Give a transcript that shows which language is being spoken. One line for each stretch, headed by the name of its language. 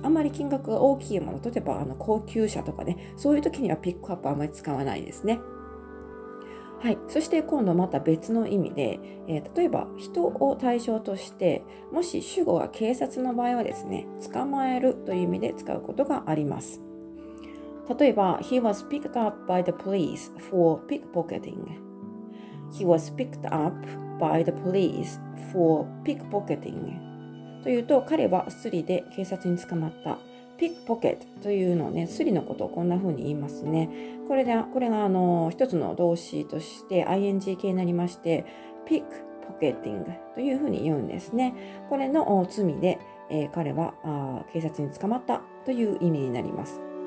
Japanese: あまり金額が大きいもの、例えば高級車とかね、そういうときにはピックアップあまり使わないですね。はい。そして今度また別の意味で、例えば人を対象として、もし主語が警察の場合はですね、捕まえるという意味で使うことがあります。例えば、
English: He was picked up by the police for pickpocketing. He was picked up by the police for pickpocketing.
Japanese: というと、彼はスリで警察に捕まった。ピックポケットというのをね、スリのことをこんな風に言いますね。これが一つの動詞として ing 形になりまして、ピックポケティングという風に言うんですね。これの罪で、彼は警察に捕まったという意味になります。